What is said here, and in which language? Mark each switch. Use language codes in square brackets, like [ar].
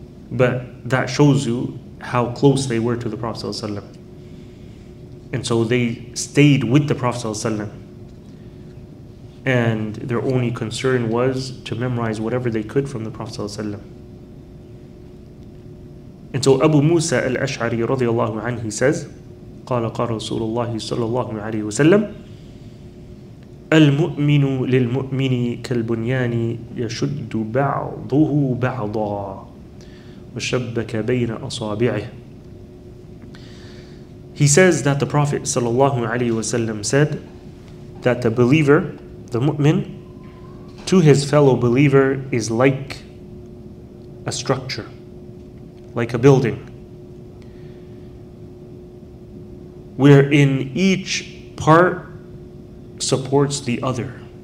[en] But that shows you how close they were to the Prophet ﷺ. And so they stayed with the Prophet ﷺ. And their only concern was to memorize whatever they could from the Prophet ﷺ. And so Abu Musa al-Ash'ari radiyallahu anhu, he says, [ar] قال قال رسول الله صلى الله عليه وسلم المؤمن للمؤمن كالبنيان يشد بعضه بعضا وشبك بين أصابعه. [en] He says that the Prophet صلى الله عليه وسلم said that the believer, the mu'min, to his fellow believer is like a structure, like a building, wherein each part supports the other.